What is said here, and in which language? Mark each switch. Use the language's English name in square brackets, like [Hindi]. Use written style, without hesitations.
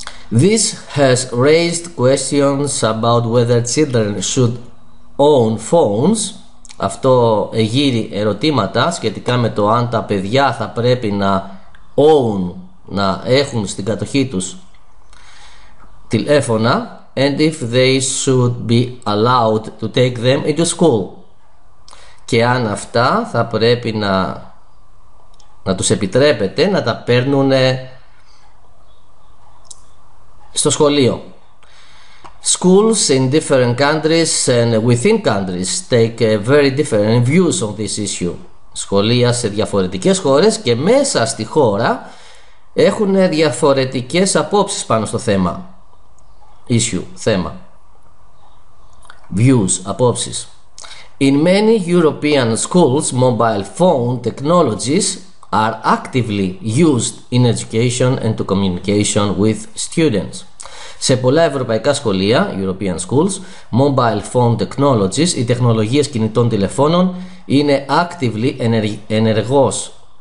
[English] This has raised questions about whether children should own phones. [Greek] Αυτό εγείρει ερωτήματα σχετικά με το αν τα παιδιά θα πρέπει να own, να έχουν στην κατοχή τους τηλέφωνα, [English] and if they should be allowed to take them into school. [Greek] Και αν αυτά θα πρέπει να τους επιτρέπεται να τα παίρνουν στο σχολείο. [English] Schools in different countries and within countries take very different views on this issue. [Greek] Σχολεία σε διαφορετικές χώρες και μέσα στη χώρα έχουν διαφορετικές απόψεις πάνω στο θέμα. [English] Issue, θέμα. Views, απόψεις. In many European schools, mobile phone technologies are actively used in education and to communication with students. [Greek] Σε πολλά ευρωπαϊκά σχολεία, [English] European schools, mobile phone technologies, [Greek] οι τεχνολογίες κινητών τηλεφώνων είναι actively, ενεργώς